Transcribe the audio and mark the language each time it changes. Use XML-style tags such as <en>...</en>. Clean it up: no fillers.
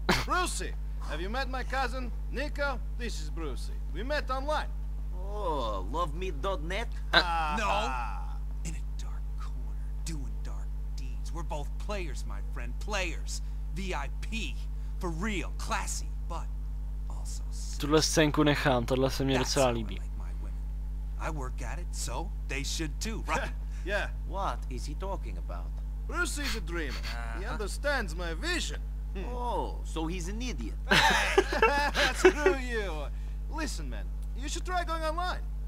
<en>Brucey, have you met my cousin Nico? This is Brucey. We met online. Oh, loveme.net? No. In a dark corner, doing dark deeds. We're both players, my friend. Players. VIP. For real. Classy. But also...</en> <cs>Tuhle scénku nechám, tohle se mi docela líbí.</cs> <en>I work at it, so they should too, right? Yeah. What is he talking about? Bruce is a dreamer. He understands my vision. Oh, so he's an idiot. Screw you. Listen, man, you should try going online.</en>